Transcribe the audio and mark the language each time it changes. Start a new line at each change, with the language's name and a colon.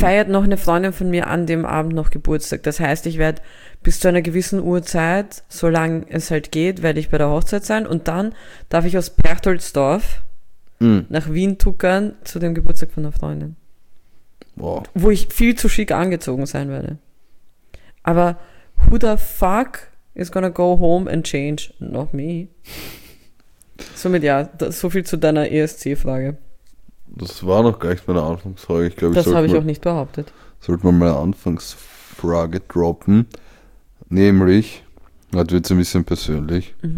German: feiert noch eine Freundin von mir an dem Abend noch Geburtstag. Das heißt, ich werde bis zu einer gewissen Uhrzeit, solange es halt geht, werde ich bei der Hochzeit sein. Und dann darf ich aus Berchtoldsdorf nach Wien tuckern zu dem Geburtstag von der Freundin. Boah. Wo ich viel zu schick angezogen sein werde. Aber
English: who the fuck is gonna go home and change? Not me.
German: Somit ja, das, so viel zu deiner ESC-Frage. Das war noch gar nicht meine Anfangsfrage. Ich glaube, ich Das habe ich auch nicht behauptet. sollte mal meine Anfangsfrage droppen. Nämlich, das wird ein bisschen persönlich.